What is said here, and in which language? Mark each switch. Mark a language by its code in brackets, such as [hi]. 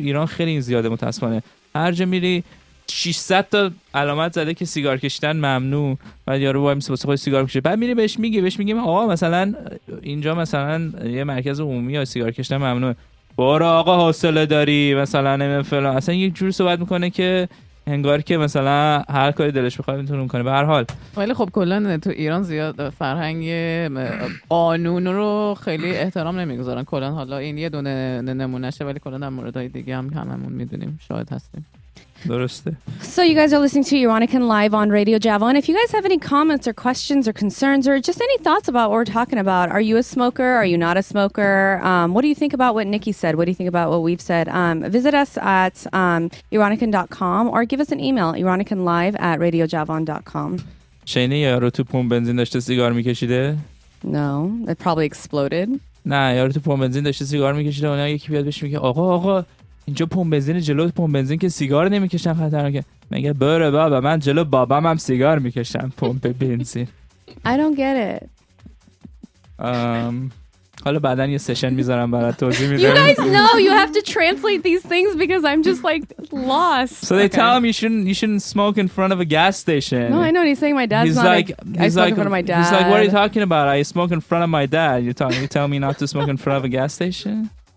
[fa] تو ایران خیلی زیاده متاسفانه, هر جا میری 600 تا علامت زده که سیگار کشیدن ممنوع, بعد یارو وای میسه واسه خودش سیگار کشه, بعد میری بهش میگی, بهش میگی آقا مثلا اینجا مثلا یه مرکز عمومی ها سیگار کشیدن ممنوع, برو آقا حوصله داری مثلا فلان, اصلا یک جور صحبت میکنه که انگار که مثلا هر کاری دلش بخواد میتونه کنه. به هر حال ولی خب کلا تو ایران زیاد فرهنگ قانون رو خیلی احترام نمیگذارن کلا, حالا این یه دونه نمونهشه ولی کلا در موردهای دیگه هم هممون میدونیم شاهد هستیم. [en] So you guys are listening to Iranican Live on Radio Javon. If you guys have any comments or questions or concerns or just any thoughts about what we're talking about, are you a smoker? Are you not a smoker? What do you think about what Nikki said? What do you think about what we've said? Visit us at iranican.com or give us an email, iranicanlive@radiojavon.com. [fa] شینه یارو تو پمپ بنزین داشته سیگار میکشیده؟ [en] No, it probably exploded. [fa] نه یارو تو پمپ بنزین داشته سیگار میکشیده, اونها یکی بیاد بهش میگه آقا اینجا پمپ بنزین جلو پمپ بنزین که سیگار نمیکشن خطرناکه. میگه بره بابا من جلو بابام هم سیگار میکشم پمپ بنزین. [en] I don't get it. [fa] حالا بعدن یه سشن میذارم برات توضیح میدم. [en] You guys know you have to translate these things because I'm just like lost. So they tell him you shouldn't smoke in front of a gas station. No, I know what he's saying. My dad's he's not like, a, he's I smoke like, in front of my dad. He's like, what are you talking about? I smoke in front of my dad. You tell me not to smoke in front of a gas station?